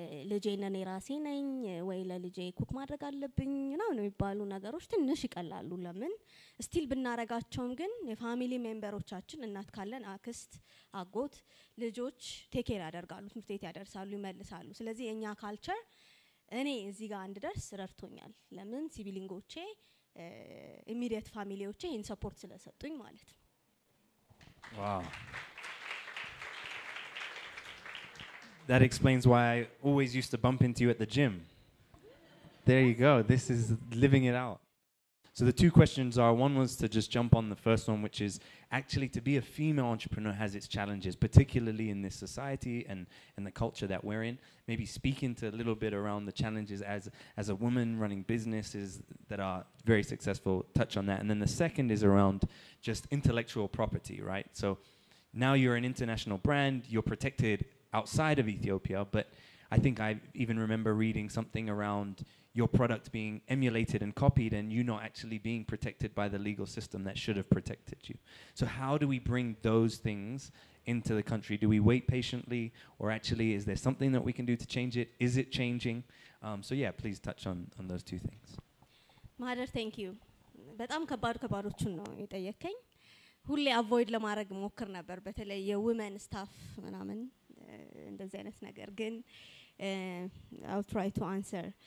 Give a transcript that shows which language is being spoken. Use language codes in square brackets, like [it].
[am] ለጄነን ራሴ ነኝ ወይ ለልጄ ኩክ ማድረግ አለብኝ ነው የሚባሉ ነገሮች ትንሽ ይቀላሉ ለምን ስቲል ብናረጋቸውም ግን የፋሚሊ ሜምበሮቻችን እናት ካለን አክስት አጎት ልጆች ቴክ ኬር ያደርጋሉ ትምህርት ቤት ያደርሳሉ ይመልሳሉ ስለዚህ የኛ ካልቸር እኔ እዚህ ጋር እንድደርስ ረድቶኛል ለምን ሲቪሊንጎቼ ኢሚዲየት ፋሚሊዎቼ ኢን ሰፖርት ስለሰጡኝ ማለት [en] Wow. That explains why I always used to bump into you at the gym. There you go. This is living it out. So the two questions are, one was to just jump on the first one, which is actually to be a female entrepreneur has its challenges, particularly in this society and the culture that we're in. Maybe speaking to a little bit around the challenges as a woman running businesses that are very successful, touch on that. And then the second is around just intellectual property, right? So now you're an international brand, you're protected outside of Ethiopia, but I think I even remember reading something around your product being emulated and copied and you not actually being protected by the legal system that should have protected you. So how do we bring those things into the country? Do we wait patiently or actually is there something that we can do to change it? Is it changing? So yeah, please touch on those two things. Mother, thank you. [am] በጣም ከባድ ከባዶቹ ነው የጠየከኝ። ሁሌ አቮይድ ለማድረግ ሞክር ነበር በተለይ የውመን ስታፍ ምናምን እንደዚህ አይነት ነገር ግን [en] I'll try to answer.